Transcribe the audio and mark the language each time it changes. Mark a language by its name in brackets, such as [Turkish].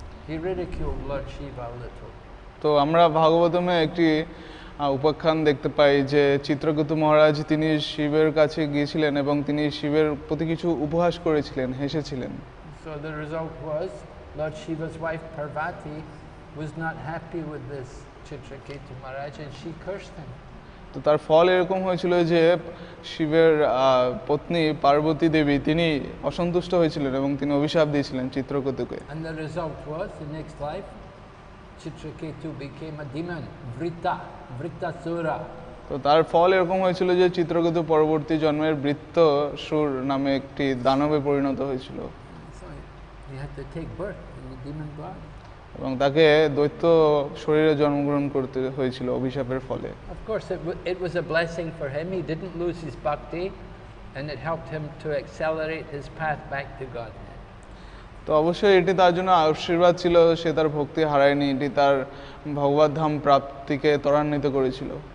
[English] He ridiculed Lord Shiva a little. [Bangla] তো আমরা ভাগবতমে একটি উপাখ্যান দেখতে পাই যে চিত্রকেতু মহারাজ তিনি শিবের কাছে গিয়েছিলেন এবং তিনি শিবের প্রতি কিছু উপহাস করেছিলেন, হেসেছিলেন. [English] So the result was Lord Shiva's wife Parvati was not happy with this Chitraketu Maharaj and she cursed him. [Bangla] তো তার ফল এরকম হয়েছিল যে শিবের পত্নী পার্বতী দেবী তিনি অসন্তুষ্ট হয়েছিলেন এবং তিনি অভিশাপ দিয়েছিলেন চিত্রকেতুকে. [English] And the result was the next life Chitraketu became a demon, Vritasura. [Bangla] তো তার ফল এরকম হয়েছিল যে চিত্রকেতু পরবর্তী জন্মের বৃত্তসুর নামে একটি দানবে পরিণত হয়েছিল. [English] He had to take birth in the demon body. [Bangla] এবং তাকে দৈত্য শরীরে জন্মগ্রহণ করতে হয়েছিল অভিশাপের ফলে. [English] Of course it was a blessing for him. He didn't lose his bhakti and it helped him to accelerate his path back to God. [Bangla] তো অবশ্যই এটি তার জন্য আশীর্বাদ ছিল, সে তার ভক্তি হারায়নি, এটি তার ভগবত ধাম প্রাপ্তিকে ত্বরান্বিত করেছিল।